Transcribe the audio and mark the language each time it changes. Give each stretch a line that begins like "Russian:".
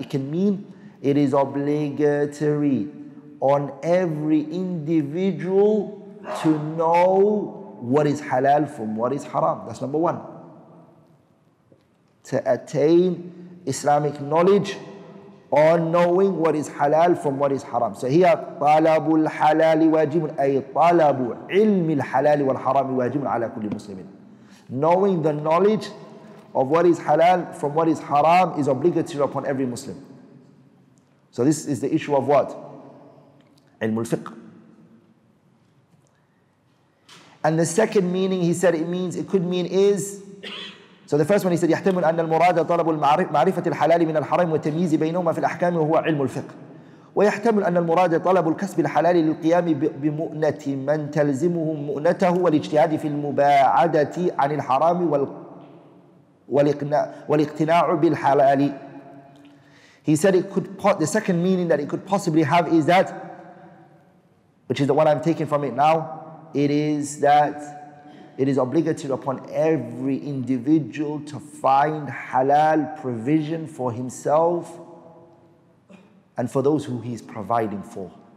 English: It can mean it is obligatory on every individual to know what is halal from what is haram. That's number one. To attain Islamic knowledge on knowing what is halal from what is haram. So here,
Arabic: طلب الحلال واجب أي طلب علم الحلال والحرام واجب على كل مسلم.
English: Knowing the knowledge of what is halal from what is haram is obligatory upon every Muslim. So this is the issue of what?
Arabic: علم الفقه.
English: And the second meaning he said
Arabic: it could mean is, so the first one he said يحتمل أن المراد طلب معرفة الحلال من الحرام وتمييز بينهما في الأحكام وهو علم الفقه ويحتمل أن المراد طلب الكسب الحلال للقيام بمؤنة من تلزمه مؤنته والاجتهاد في المباعدة عن الحرام والاقتناع بالحلال.
English: He said the second meaning that it could possibly have is that, which is the one I'm taking from it now, it is that it is obligatory upon every individual to find halal provision for himself and for those who he's providing for.